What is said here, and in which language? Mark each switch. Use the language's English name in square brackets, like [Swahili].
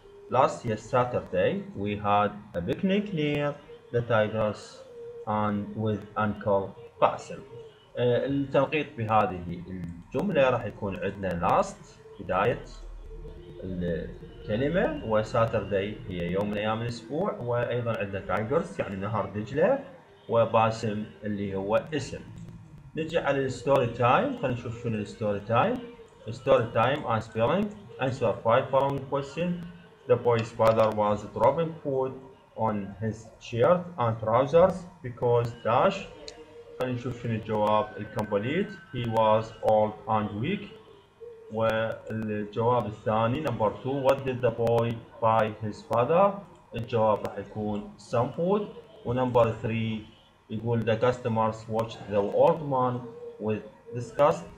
[English] Last year Saturday we had a picnic near the tigers and with Uncle Basil. [Arabic] التنقيط بهذه الجملة راح يكون عندنا last بداية الكلمة و Saturday هي يوم من أيام الأسبوع وأيضا عندنا tigers يعني نهر دجلة وباسم اللي هو اسم. نجي على الستوري تايم خلينا نشوف شنو الستوري تايم. [English] Story time and spelling answer 5 following question. The boy's father was dropping food on his shirt and trousers because dash. [Arabic] خلينا نشوف شنو الجواب الكومبليت. [English] He was old and weak. [Arabic] والجواب الثاني نمبر 2 [English] what did the boy buy his father. [Arabic] الجواب راح يكون [English] some food. [Arabic] ونمبر 3 يقول [English] the customers watched the old man with disgust.